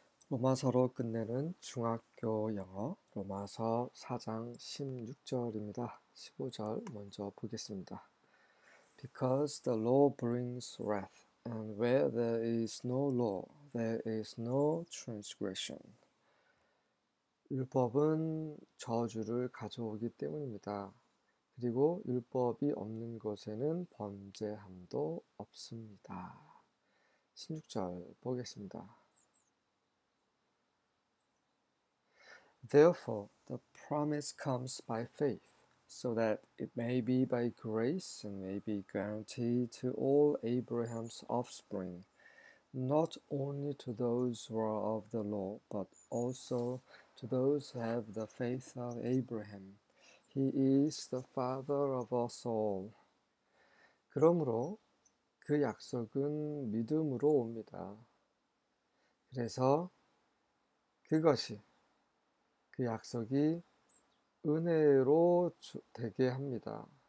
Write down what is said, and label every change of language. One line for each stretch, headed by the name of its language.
Korean: 로마서로 끝내는 중학교 영어 로마서 4장 16절입니다. 15절 먼저 보겠습니다.
English: Because the law brings wrath, and where there is no law, there is no transgression.
Korean: 율법은 저주를 가져오기 때문입니다. 그리고 율법이 없는 곳에는 범죄함도 없습니다. 16절 보겠습니다.
English: Therefore, the promise comes by faith, so that it may be by grace and may be guaranteed to all Abraham's offspring, not only to those who are of the law, but also to those who have the faith of Abraham. He is the father of us all.
Korean: 그러므로 그 약속은 믿음으로 옵니다. 그래서 그것이 그 약속이 은혜로 되게 합니다.